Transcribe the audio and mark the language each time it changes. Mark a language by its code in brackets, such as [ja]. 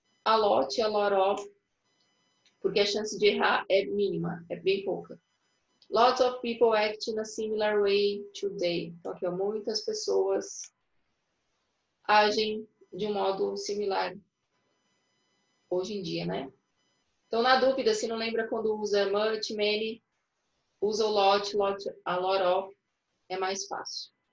[pt] a lot, a lot of, porque a chance de errar é mínima, é bem pouca. [en] Lots of people act in a similar way today. [pt] Então, aqui, ó, muitas pessoas agem de um modo similar hoje em dia, né? Então, na dúvida, se não lembra quando usa much, many, usa o lot, lot, a lot of, é mais fácil.